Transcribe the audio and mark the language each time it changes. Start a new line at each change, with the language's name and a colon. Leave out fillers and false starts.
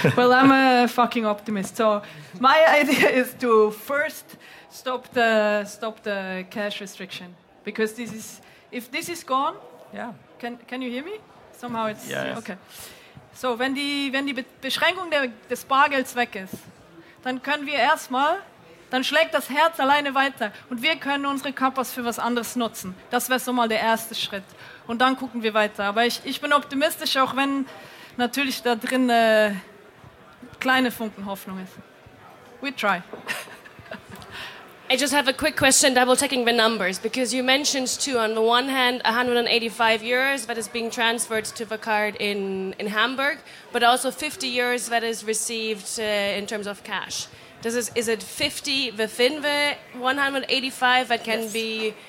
English: Well, I'm a fucking optimist. So my idea is to first stop the cash restriction, because if this is gone. Yeah. Can you hear me? Somehow it's yes. Okay.
German: So wenn die Beschränkung des Bargelds weg ist, dann schlägt das Herz alleine weiter und wir können unsere Körpers für was anderes nutzen. Das wäre so mal der erste Schritt. Und dann gucken wir weiter. Aber ich bin optimistisch, auch wenn natürlich da drin eine kleine Funken Hoffnung ist.
English: We try. I just have a quick question, double-checking the numbers, because you mentioned too, on the one hand, 185 euros that is being transferred to the card in Hamburg, but also 50 euros that is received in terms of cash. Is it 50 within the 185 that can be...